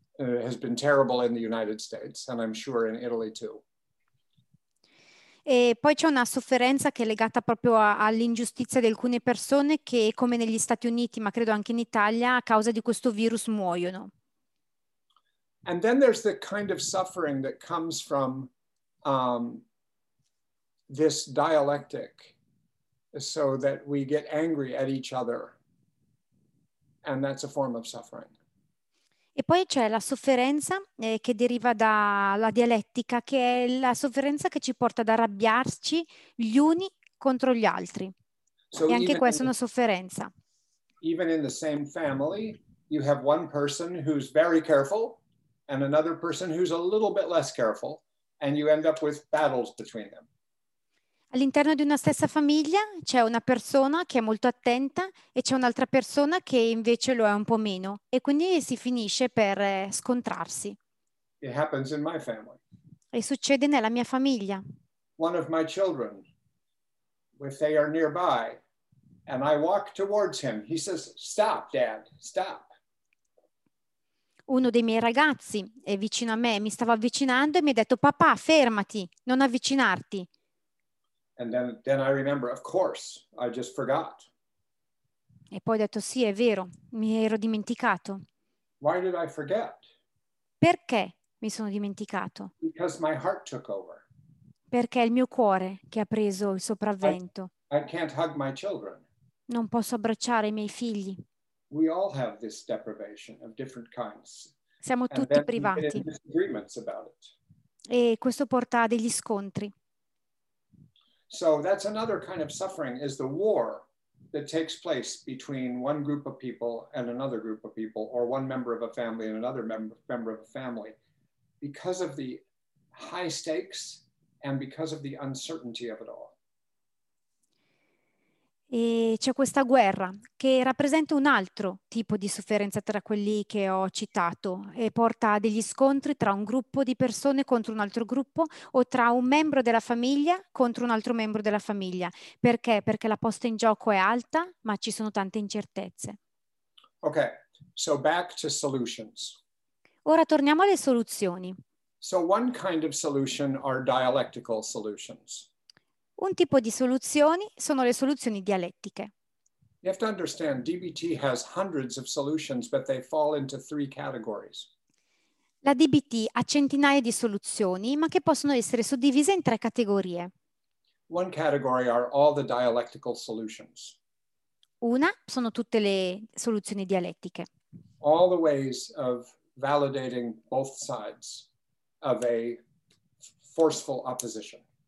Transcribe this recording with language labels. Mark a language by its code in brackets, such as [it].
[en] It has been terrible in the United States, and I'm sure in Italy too. [it] E poi c'è una sofferenza che è legata proprio all'ingiustizia di alcune persone che, come negli Stati Uniti, ma credo anche in Italia, a causa di questo virus muoiono. [en] And then there's the kind of suffering that comes from this dialectic, so that we get angry at each other, and that's a form of suffering. [it] E poi c'è la sofferenza che deriva dalla dialettica, che è la sofferenza che ci porta ad arrabbiarci gli uni contro gli altri. So e anche questa è una sofferenza. [en] Even in the same family, you have one person who's very careful and another person who's a little bit less careful, and you end up with battles between them. [it] All'interno di una stessa famiglia c'è una persona che è molto attenta e c'è un'altra persona che invece lo è un po' meno, e quindi si finisce per scontrarsi. [en] It happens in my family. [it] E succede nella mia famiglia. [en] One of my children, if they are nearby and I walk towards him, he says, "Stop, Dad, stop." [it] Uno dei miei ragazzi è vicino a me, mi stava avvicinando e mi ha detto, "Papà, fermati, non avvicinarti." [en] And then I remember, of course, I just forgot. [it] E poi ho detto, sì, è vero, mi ero dimenticato. [en] Why did I forget? [it] Perché mi sono dimenticato? [en] Because my heart took over. [it] Perché è il mio cuore che ha preso il sopravvento. [en] I can't hug my children. [it] Non posso abbracciare i miei figli. [en] We all have this deprivation of different kinds. [it] Siamo tutti privati. [en] And then disagreements about it. [it] E questo porta a degli scontri. [en] So that's another kind of suffering, is the war that takes place between one group of people and another group of people, or one member of a family and another member of a family, because of the high stakes and because of the uncertainty of it all. [it] E c'è questa guerra che rappresenta un altro tipo di sofferenza tra quelli che ho citato, e porta a degli scontri tra un gruppo di persone contro un altro gruppo, o tra un membro della famiglia contro un altro membro della famiglia. Perché? Perché la posta in gioco è alta, ma ci sono tante incertezze. [en] Ok, so back to solutions. [it] Ora torniamo alle soluzioni. [en] So one kind of solution are dialectical solutions. [it] Un tipo di soluzioni sono le soluzioni dialettiche. [en] You have to understand, DBT has hundreds of solutions, but they fall into three categories. [it] La DBT ha centinaia di soluzioni, ma che possono essere suddivise in tre categorie. [en] One category are all the dialectical solutions. [it] Una sono tutte le soluzioni dialettiche. [en] All the ways of validating both sides of a forceful opposition.